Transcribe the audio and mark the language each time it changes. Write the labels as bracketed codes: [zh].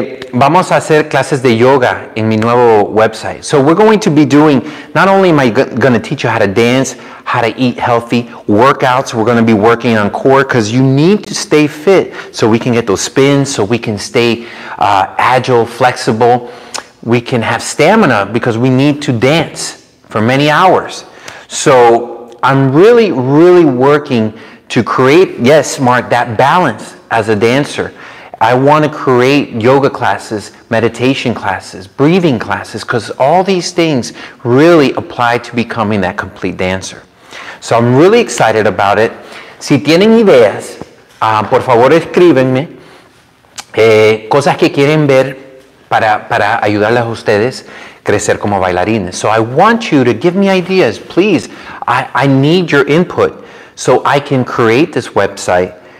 [es] Vamos a hacer clases de yoga en mi nuevo website. [en] So we're going to be doing, not only am I going to teach you how to dance, how to eat healthy, workouts, we're going to be working on core because you need to stay fit so we can get those spins, so we can stay agile, flexible. We can have stamina because we need to dance for many hours. So I'm really, really working to create, yes, Mark, that balance as a dancer. I want to create yoga classes, meditation classes, breathing classes, because all these things really apply to becoming that complete dancer. So I'm really excited about it. [es] Si tienen ideas, por favor escríbenme cosas que quieren ver para ayudarles a ustedes crecer como bailarines. [en] So I want you to give me ideas, please. I need your input so I can create this website.